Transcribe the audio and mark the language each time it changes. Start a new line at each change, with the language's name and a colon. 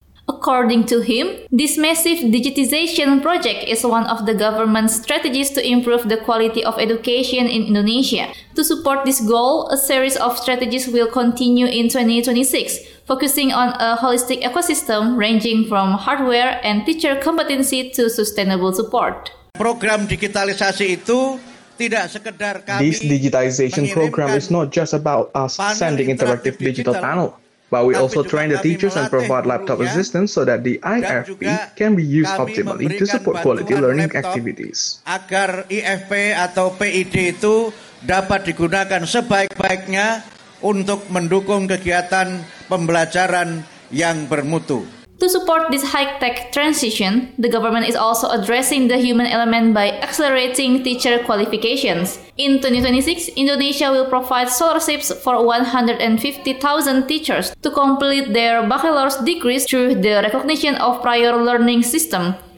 English: According to him, this massive digitization project is one of the government's strategies to improve the quality of education in Indonesia. To support this goal, a series of strategies will continue in 2026, focusing on a holistic ecosystem ranging from hardware and teacher competency to sustainable support.
Indonesian: Program digitalisasi itu tidak sekedar kami.
English: This digitization program is not just about us sending interactive digital panel. But we also train the teachers and provide laptop assistance so that the IFP can be used optimally to support quality learning activities.
Indonesian: Agar IFP atau PID itu dapat digunakan sebaik-baiknya untuk mendukung kegiatan pembelajaran yang bermutu.
English: To support this high-tech transition, the government is also addressing the human element by accelerating teacher qualifications. In 2026, Indonesia will provide scholarships for 150,000 teachers to complete their bachelor's degrees through the recognition of prior learning system.